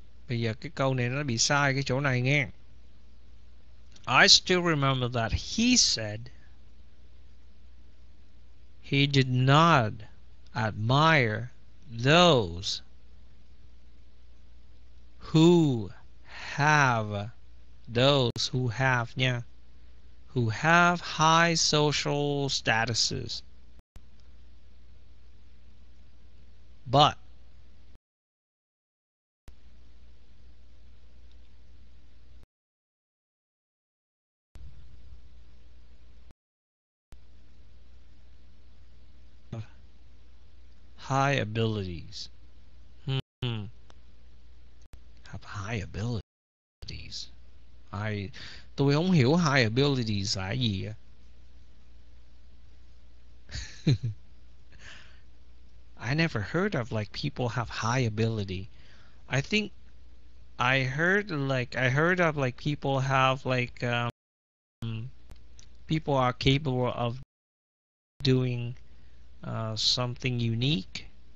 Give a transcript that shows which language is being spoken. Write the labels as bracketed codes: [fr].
[vi] Bây giờ cái câu này nó bị sai cái chỗ này nghe. [en] I still remember that he said he did not admire those who have those who have nha, who have high social statuses, but high abilities. Have high abilities. [vi] Tôi không hiểu high abilities là gì. [en] I never heard of like people have high ability. I think I heard of like people have like people are capable of doing something unique.